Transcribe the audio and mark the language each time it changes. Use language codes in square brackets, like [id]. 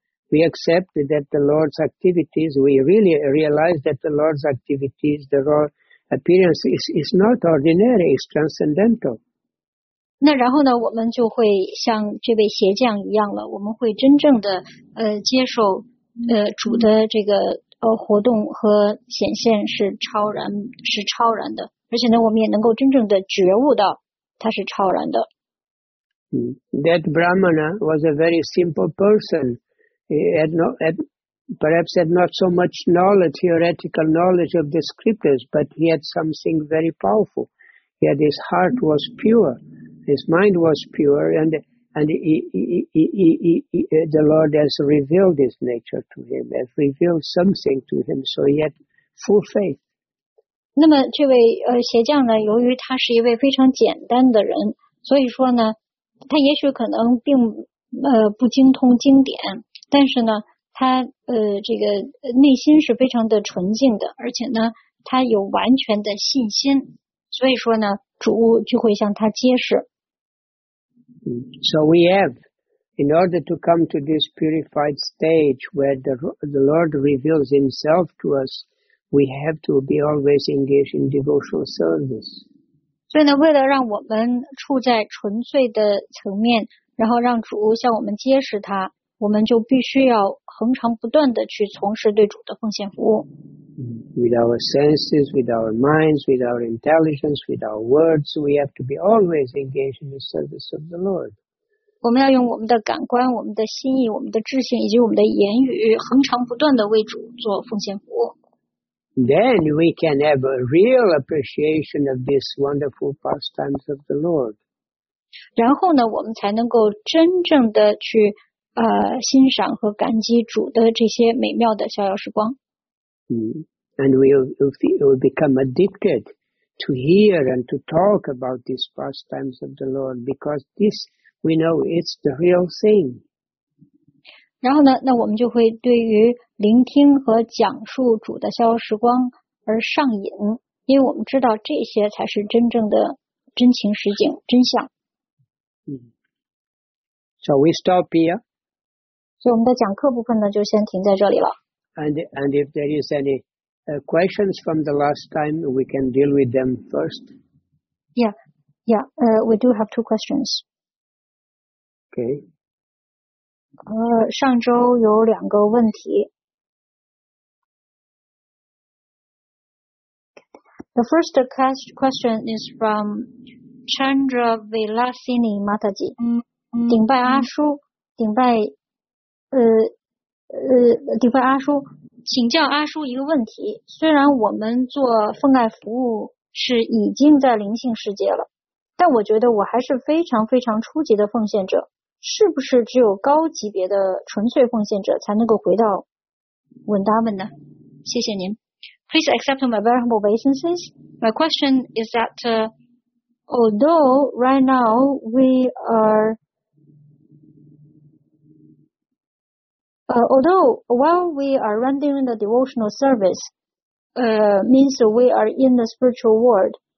[en] We accept that the Lord's activities, we really realize that the Lord's activities, the Lord's appearance is not ordinary, it's transcendental. [zh] 那然后呢，我们就会像这位鞋匠一样了，我们会真正的接受主的这个活动和显现是超然，是超然的，而且呢，我们也能够真正的觉悟到它是超然的。 [en] That Brahmana was a very simple person. He had not so much knowledge, theoretical knowledge of the scriptures, but he had something very powerful. Yet his heart was pure, his mind was pure, And the Lord has revealed his nature to him, has revealed something to him, so he had full faith. [zh] 那么这位鞋匠呢，由于他是一位非常简单的人，所以说呢，他也许可能并不精通经典，但是呢，他这个内心是非常的纯净的，而且呢，他有完全的信心，所以说呢，主就会向他揭示。 [en] So we have, in order to come to this purified stage where the Lord reveals himself to us, we have to be always engaged in devotional service. [zh] 所以呢，为了让我们处在纯粹的层面，然后让主向我们揭示他，我们就必须要恒常不断地去从事对主的奉献服务。 [en] With our senses, with our minds, with our intelligence, with our words, we have to be always engaged in the service of the Lord. [zh] 我们要用我们的感官、我们的心意、我们的智性以及我们的言语，恒常不断地为主做奉献服务。 [en] Then we can have a real appreciation of these wonderful pastimes of the Lord. [zh] 然后呢，我们才能够真正的去欣赏和感激主的这些美妙的逍遥时光。 [en] And we'll become addicted to hear and to talk about these pastimes of the Lord because this we know it's the real thing. [zh] 然后呢，那我们就会对于聆听和讲述主的逍遥时光而上瘾，因为我们知道这些才是真正的真情实景真相。 [en] So we stop here. [zh] 所以我们的讲课部分呢，就先停在这里了。 [en] And if there is any questions from the last time, we can deal with them first. Yeah, we do have two questions. Okay. [zh] 上周有两个问题。 [en] The first question is from Chandra Vilasini Mataji. [zh] 顶拜阿叔，顶拜阿叔，请教阿叔一个问题。虽然我们做奉爱服务是已经在灵性世界了，但我觉得我还是非常非常初级的奉献者。是不是只有高级别的纯粹奉献者才能够回到稳达们呢？谢谢您。 [en] Please accept my very humble obeisances. My question is that, although right now we are, although while we are rendering the devotional service, means we are in the spiritual world.